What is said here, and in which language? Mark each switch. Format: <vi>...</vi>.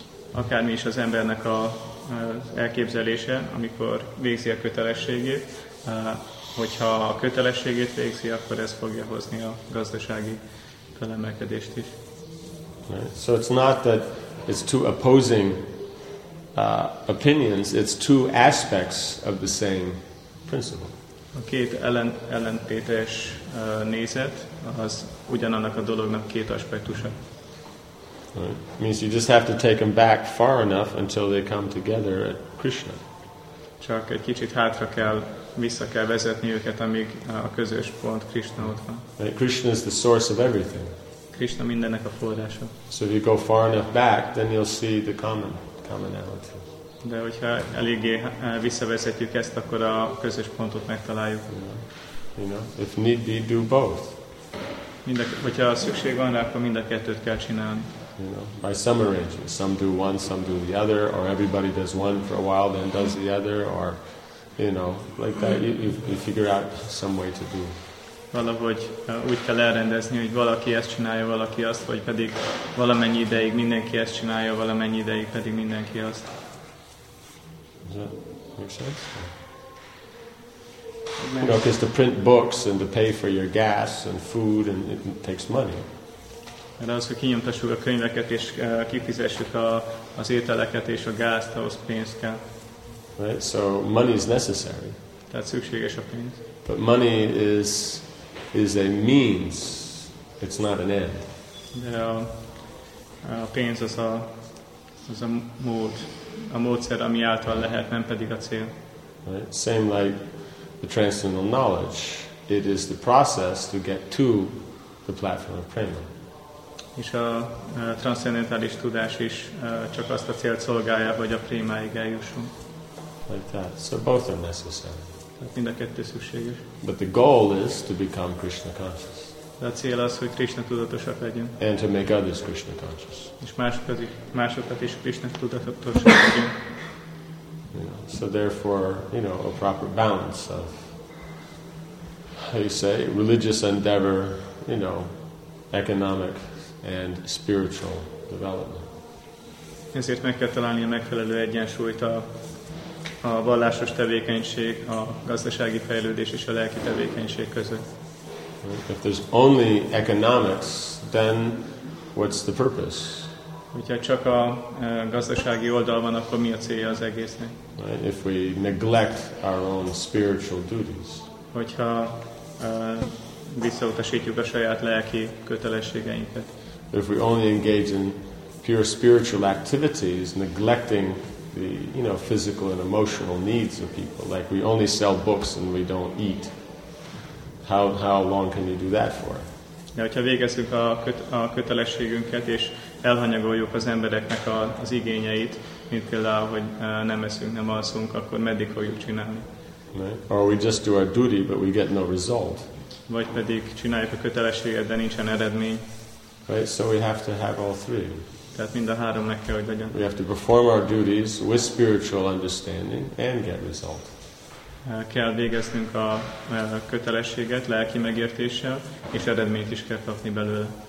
<hu>Akármi is az embernek az elképzelése, amikor végzi a kötelességét, hogyha a kötelességét végzi, akkor ez fogja hozni a gazdasági felemelkedést is.</hu> <en>Right. So it's not that it's two opposing opinions, it's two aspects of the same principle.</en> <hu>A két ellentétes nézet az ugyanannak a dolognak két aspektusa.</hu> <en>Right. Means you just have to take them back far enough until they come together at Krishna.</en> <hu>Csak egy kicsit hátra kell, vissza kell vezetni őket, amíg a közös pont Krishna ott van.</hu> <en>Right. Krishna is the source of everything.</en> <hu>Krishna mindennek a forrása.</hu> <en>So if you go far enough back, then you'll see the commonality.</en> <hu>De hogyha eléggé visszavezetjük ezt, akkor a közös pontot megtaláljuk.</hu> <en>You know, if need be, do both.</en> <hu>Hogyha szükség van rá, akkor mind a kettőt kell csinálni.</hu> <en>You know, by some arrangement, some do one, some do the other, or everybody does one for a while, then does the other, or, you know, like that, you figure out some way to do.</en> <hu>Valahogy úgy kell elrendezni, hogy valaki ezt csinálja, valaki azt, vagy pedig valamennyi ideig mindenki ezt csinálja, valamennyi ideig pedig mindenki azt.</hu> <en>Does that make sense? You know, because to print books and to pay for your gas and food, and it takes money.</en> <hu>De az, hogy kinyomtassuk a könyveket, és kifizessük az ételeket és a gázt, ahhoz pénz kell.</hu> <en>Right? So money is necessary.</en> <hu>Tehát szükséges a pénz.</hu> <en>But money is a means, it's not an end.</en> <hu>De a pénz az a mód, a módszer, ami által lehet, nem pedig a cél.</hu> <en>Right? Same like the transcendental knowledge. It is the process to get to the platform of prema.</en> <hu>És a transzcendentális tudás is csak azt a célt szolgálja, hogy a prémáig eljussunk.</hu> <en>Like that. So both are necessary.</en> <hu>Tehát mind a kettő szükséges.</hu> <en>But the goal is to become Krishna conscious.</en> <hu>De a cél az, hogy Krishna tudatosak legyünk.</hu> <en>And to make others Krishna conscious.</en> <hu>És másokat is Krishna tudatosak legyünk.</hu> <en>You know, so therefore, you know, a proper balance of, how you say, religious endeavor, you know, economic and spiritual development.</en> <hu>Ezért meg kell találni a megfelelő egyensúlyt a vallásos tevékenység, a gazdasági fejlődés és a lelki tevékenység között.</hu> <en>If there's only economics, then what's the purpose?</en> <hu>Hogyha csak a gazdasági oldal van, akkor mi a célja az egésznek?</hu> <en>Right? If we neglect our own spiritual duties.</en> <hu>Hogyha visszautasítjuk a saját lelki kötelességeinket.</hu> <en>If we only engage in pure spiritual activities, neglecting the, you know, physical and emotional needs of people, like we only sell books and we don't eat, how long can you do that for?</en> <hu>De hogyha végezzük a kötelességünket, és elhanyagoljuk az embereknek az igényeit, mint például, hogy nem eszünk, nem alszunk, akkor meddig fogjuk csinálni?</hu> <en>Right. Or we just do our duty, but we get no result.</en> <hu>Vagy pedig csináljuk a kötelességet, de nincsen eredmény.</hu> <en>Right, so we have to have all three.</en> <hu>Tehát mind a három meg kell, hogy legyen.</hu> <en>We have to perform our duties with spiritual understanding and get result.</en> <hu>Kell végeznünk a kötelességet lelki megértéssel, és eredményt is kell kapni belőle.</hu>